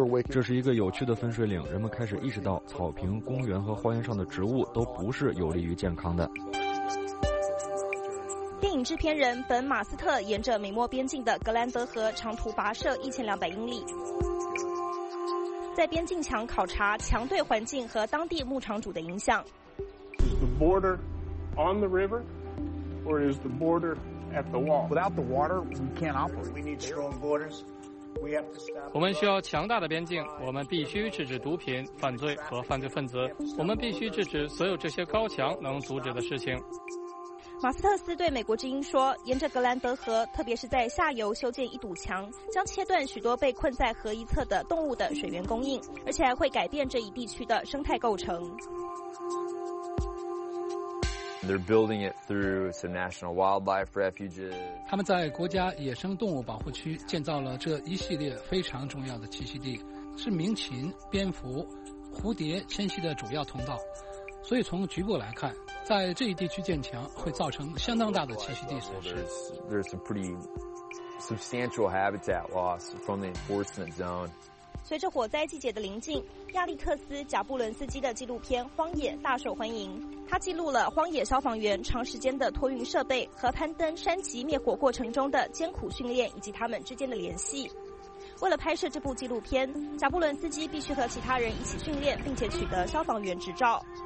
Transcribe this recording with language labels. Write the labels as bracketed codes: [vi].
[zh] 这是一个有趣的分水岭，人们开始意识到草坪、公园和花园上的植物都不是有利于健康的。电影制片人本·马斯特沿着美墨边境的格兰德河长途跋涉1200英里，在边境墙考察墙对环境和当地牧场主的影响。 [en] Is the border on the river, or is the border at the wall? Without the water, we can't operate. We need strong borders. We have to stop. [zh] 我们需要强大的边境，我们必须制止毒品、犯罪和犯罪分子，我们必须制止所有这些高墙能阻止的事情。马斯特斯对美国之音说，沿着格兰德河，特别是在下游修建一堵墙，将切断许多被困在河一侧的动物的水源供应，而且还会改变这一地区的生态构成。 [en] They're building it through some national wildlife refuges. [zh] 他们在国家野生动物保护区建造了这一系列非常重要的栖息地，是鸣禽、蝙蝠、蝴蝶迁徙的主要通道。所以从局部来看，在这一地区建墙会造成相当大的栖息地损失。 [en] There's some pretty substantial habitat loss from the enforcement zone. [zh] 随着火灾季节的临近，亚历克斯·贾布伦斯基的纪录片《荒野》大受欢迎。他记录了荒野消防员长时间的托运设备和攀登山脊灭火过程中的艰苦训练以及他们之间的联系。为了拍摄这部纪录片，贾布伦斯基必须和其他人一起训练，并且取得消防员执照。